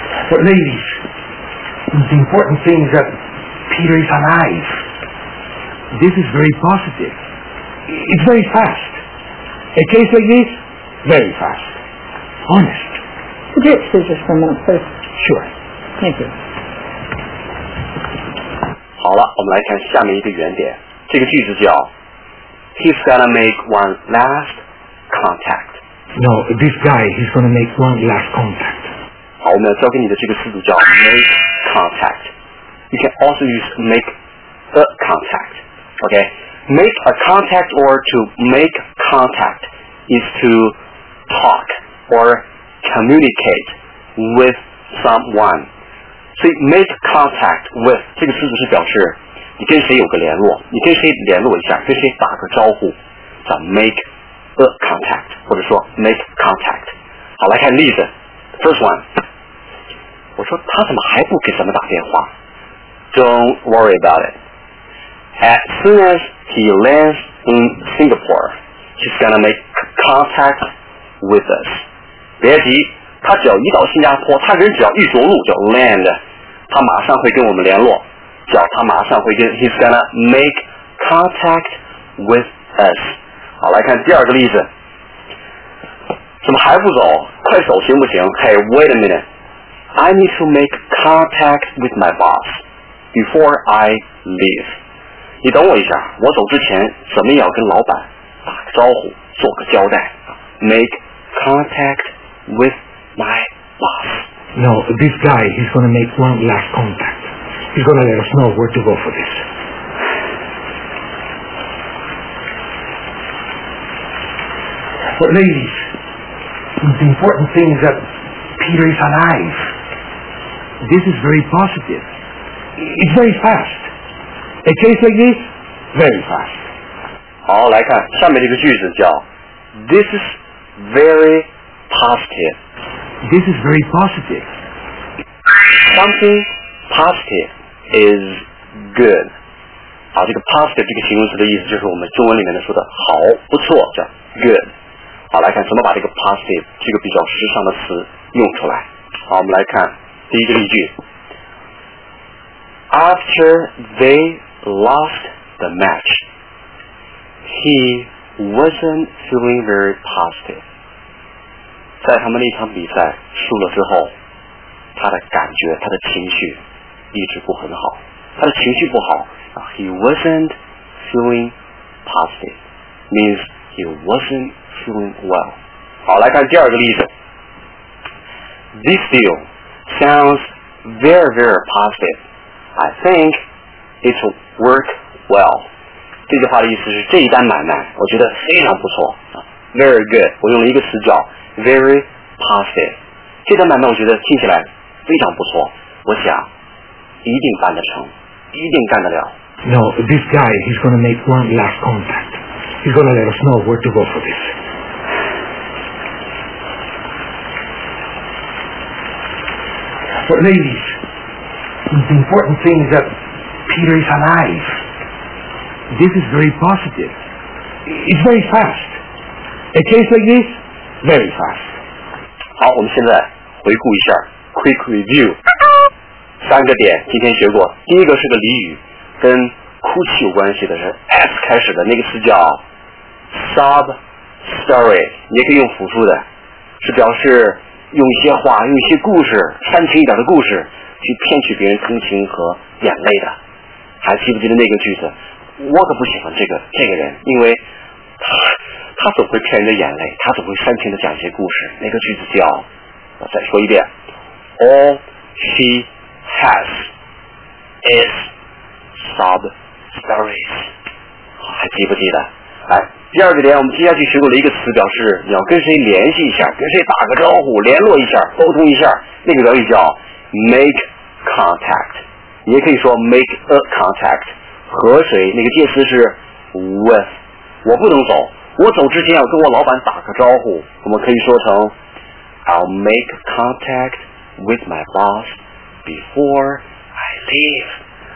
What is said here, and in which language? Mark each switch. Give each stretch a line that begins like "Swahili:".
English: But ladies, the important thing is that Peter is alive. This is very positive. It's very fast. A case like this, very fast. Honest. Could you excuse us for a minute, please? Sure. Thank you.
Chinese: 好了，我们来看下面一个原点。这个句子叫
English: He's gonna make one last contact. No, this guy, he's gonna make one last contact.
Chinese: 好，我们要教给你的这个词组叫
English: make contact. You can also use make a contact. Okay, make a contact or to make contact is to talk or communicate with someone.
Chinese: 所以
English: make contact with
Chinese: 这个词组是表示你跟谁有个联络，你跟谁联络一下，跟谁打个招呼，叫
English: make a contact
Chinese: 或者说
English: make contact。
Chinese: 好，来看例子。
English: First one，
Chinese: 我说他怎么还不给咱们打电话。
English: Don't worry about it. As soon as he lands in Singapore, he's gonna make contact with us.
Chinese: 别急，他只要一到新加坡，他人只要一着陆叫 land， 他马上会跟我们联络，叫他马上会跟
English: he's gonna make contact with us。
Chinese: 好，来看第二个例子。怎么还不走，快走行不行？
English: Hey, wait a minute, I need to make contact with my boss before I leave.
Chinese: 你等我一下，我走之前怎么也要跟老板打个招呼，做个交代。
English: make contact withMy boss. No, this guy, he's going to make one last contact. He's going to let us know where to go for this. But ladies, the important thing is that Peter is alive. This is very positive. It's very fast. A case like this, very fast.
Chinese: 好，来看下面这个句子叫
English: This is very positive. This is very positive. Something positive is good.
Chinese: 好，这个 positive 这个形容词的意思就是我们中文里面的说的好、不错，叫 good。好，来看怎么把这个 positive 这个比较时尚的词用出来。好，我们来看第一个例句。
English: After they lost the match, he wasn't feeling very positive.
Chinese: 在他们那场比赛输了之后，他的感觉、他的情绪一直不很好。他的情绪不好
English: ，He wasn't feeling positive, means he wasn't feeling well.
Chinese: 好，来看第二个例子。
English: This deal sounds very, very positive. I think it will work well.
Chinese: 这句话的意思是这一单买卖，我觉得非常不错。
English: Very good，
Chinese: 我用了一个词叫。
English: Very positive，
Chinese: 这单买卖我觉得听起来非常不错，我想一定办得成，一定干得了。
English: No, this guy, he's going to make one last contact. He's going to let us know where to go for this. But ladies, the important thing is that Peter is alive. This is very positive. It's very fast. A case like this. Very fast.
Chinese: 好，我们现在回顾一下
English: quick review
Chinese: 三个点。今天学过第一个是个俚语，跟哭泣有关系的是 S 开始的那个词叫
English: sob story，
Chinese: 你也可以用辅助的，是表示用一些话，用一些故事，煽情一点的故事，去骗取别人同情和眼泪的。还记不记得那个句子？我可不喜欢这个人，因为他总会骗人的眼泪，他总会煽情的讲一些故事。那个句子叫，我再说一遍 ，
English: All she has is sob stories。
Chinese: 还记不记得？哎。第二个点，我们接下去学过了一个词，表示你要跟谁联系一下，跟谁打个招呼，联络一下，沟通一下，那个表语叫
English: make contact，
Chinese: 你也可以说
English: make a contact，
Chinese: 和谁，那个介词是 with， 我不能走，我走之前要跟我老板打个招呼，我们可以说成
English: I'll make contact with my boss before I leave。